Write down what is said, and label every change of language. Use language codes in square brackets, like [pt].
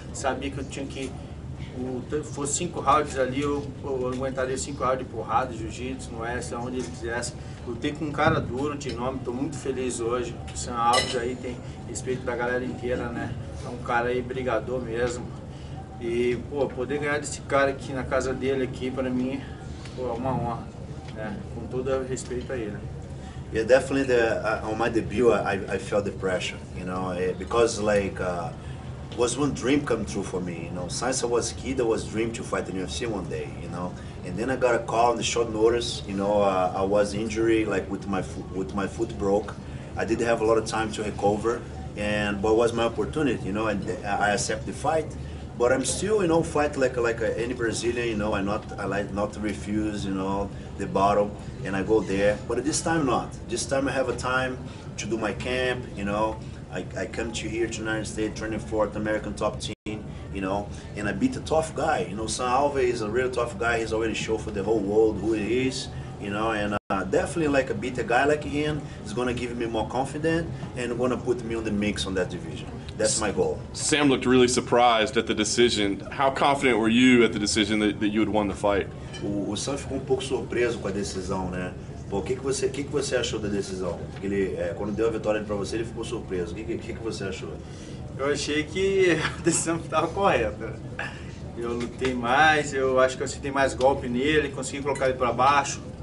[pt] Sabia que eu tinha que, se fosse 5 rounds ali, eu aguentaria 5 rounds de porrada, jiu-jitsu, no oeste, onde ele quisesse. Lutei com um cara duro, de nome, estou muito feliz hoje. O Sam Alves aí tem respeito da galera inteira, né? É um cara aí brigador mesmo. E, pô, poder ganhar desse cara aqui na casa dele aqui, pra mim, pô, é uma honra, né? Com todo o respeito a ele. [en] Yeah, definitely on my debut, I felt the pressure, you know, because, like, was one dream come true for me, you know. Since I was a kid, I was dream to fight in UFC one day, you know. And then I got a call on the short notice, you know, I was injured, like, with my foot broke. I didn't have a lot of time to recover, but it was my opportunity, you know, and I accept the fight. But I'm still, you know, fight like any Brazilian, you know. I like not to refuse, you know, the bottle, and I go there. But this time not. This time I have a time to do my camp, you know. I come to here to United States, training for the American Top Team, you know. And I beat a tough guy, you know. Sam Alves is a real tough guy. He's already shown for the whole world who he is, you know. And definitely, like, a beat a guy like him is gonna give me more confidence and gonna put me on the mix on that division. That's my goal. Sam looked really surprised at the decision. How confident were you at the decision that you had won the fight? [pt] O Sam ficou pouco surpreso com a decisão, né? Pô, o que você achou da decisão? Porque ele, quando deu a vitória para você, ele ficou surpreso. O que você achou? Eu achei que a decisão estava correta. Eu lutei mais, eu acho que eu acertei mais golpe nele, consegui colocar ele para baixo.